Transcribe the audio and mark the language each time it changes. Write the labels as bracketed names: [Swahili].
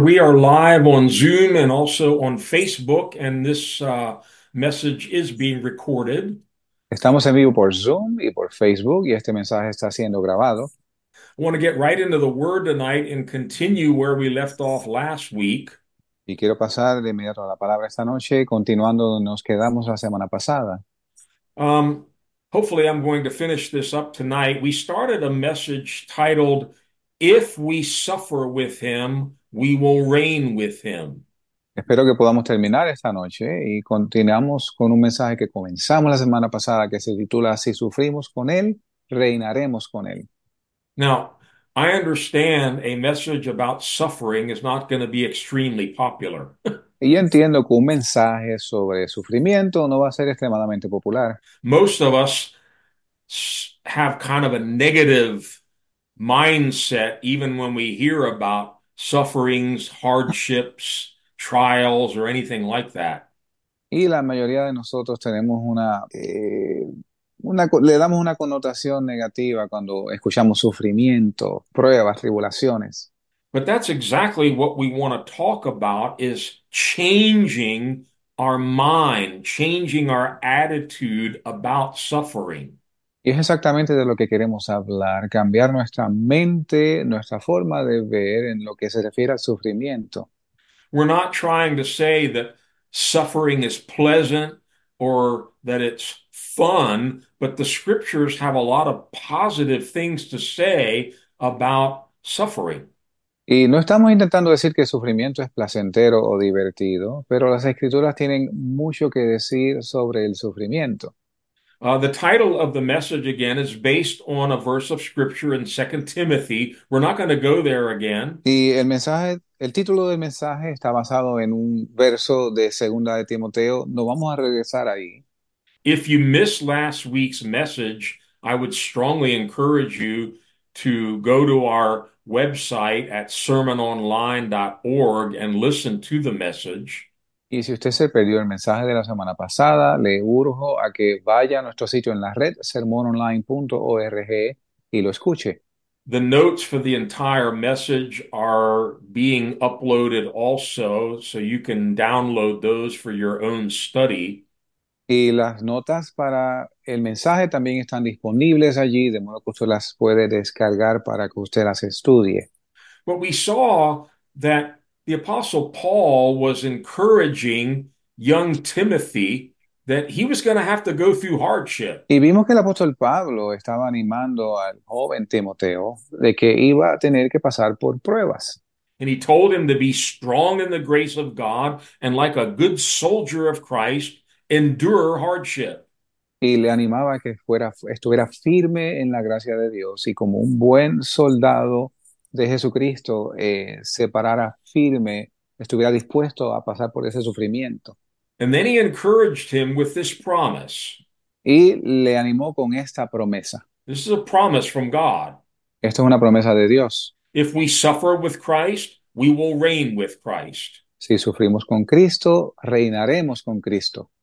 [English] We are live on Zoom and also on Facebook, and this message is being recorded. [Spanish] Estamos en vivo por Zoom y por Facebook, y este mensaje está siendo grabado. [English] Want to get right into the word tonight and continue where we left off last week. [Spanish] Y quiero pasar de inmediato a la palabra esta noche, continuando donde nos quedamos la semana pasada. [English] Hopefully, I'm going to finish this up tonight. We started a message titled, If we suffer with him, we will reign with him. [Spanish] Espero que podamos terminar esta noche y continuamos con un mensaje que comenzamos la semana pasada que se titula Si sufrimos con Él, reinaremos con Él. [English] Now, I understand a message about suffering is not going to be extremely popular. [Spanish] Y yo entiendo que un mensaje sobre sufrimiento no va a ser extremadamente popular. [English] Most of us have kind of a negative mindset, even when we hear about sufferings, hardships, trials, or anything like that. [Spanish] Y la mayoría de nosotros tenemos le damos una connotación negativa cuando escuchamos sufrimiento, pruebas, tribulaciones. [English] But that's exactly what we want to talk about, is changing our mind, changing our attitude about suffering. [Spanish] Y es exactamente de lo que queremos hablar, cambiar nuestra mente, nuestra forma de ver en lo que se refiere al sufrimiento. [English] We're not trying to say that suffering is pleasant or that it's fun, but the scriptures have a lot of positive things to say about suffering. [Spanish] Y no estamos intentando decir que el sufrimiento es placentero o divertido, pero las escrituras tienen mucho que decir sobre el sufrimiento. [English] The title of the message again is based on a verse of scripture in 2 Timothy. We're not going to go there again. [Spanish] Y el título del mensaje está basado en un verso de Segunda de Timoteo. No vamos a regresar ahí. [English] If you missed last week's message, I would strongly encourage you to go to our website at sermononline.org and listen to the message. [Spanish] Y si usted se perdió el mensaje de la semana pasada, le urjo a que vaya a nuestro sitio en la red, sermononline.org, y lo escuche. [English] The notes for the entire message are being uploaded also, so you can download those for your own study. [Spanish] Y las notas para el mensaje también están disponibles allí, de modo que usted las puede descargar para que usted las estudie. [English] But we saw that the Apostle Paul was encouraging young Timothy that he was going to have to go through hardship. [Spanish] Y vimos que el apóstol Pablo estaba animando al joven Timoteo de que iba a tener que pasar por pruebas. [English] And he told him to be strong in the grace of God and, like a good soldier of Christ, endure hardship. [Spanish] Y le animaba a que estuviera firme en la gracia de Dios y como un buen soldado de Jesucristo se parara firme, estuviera dispuesto a pasar por ese sufrimiento. [English] And then he encouraged him with this promise. [Spanish] Y le animó con esta promesa. [English] This is a promise from God. [Spanish] Esto es una promesa de Dios. [English] If we suffer with Christ, we will reign with Christ. [Spanish] Si sufrimos con Cristo, reinaremos con Cristo.